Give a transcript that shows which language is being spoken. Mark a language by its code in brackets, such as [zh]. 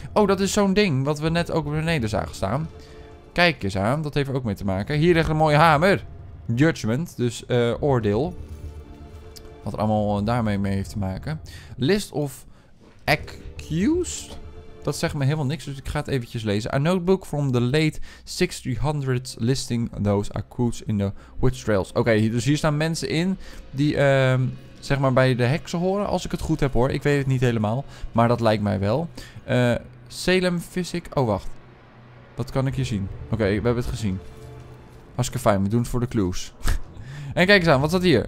[nl] Oh, dat is zo'n ding wat we net ook beneden zagen staan. Kijk eens aan. Dat heeft er ook mee te maken. Hier ligt een mooie hamer. Judgment. Dus oordeel. Wat er allemaal daarmee mee heeft te maken. [en] List of accused. [nl] Dat zegt me helemaal niks. Dus ik ga het eventjes lezen. [en] A notebook from the late 6300s listing those accused in the witch trails. [nl] Oké, dus hier staan mensen in die... zeg maar bij de heksen horen, als ik het goed heb hoor. Ik weet het niet helemaal, maar dat lijkt mij wel. Salem Physic. Oh, wacht. Wat kan ik hier zien? Oké, we hebben het gezien. Hartstikke fijn, we doen het voor de clues. En kijk eens aan, wat staat hier?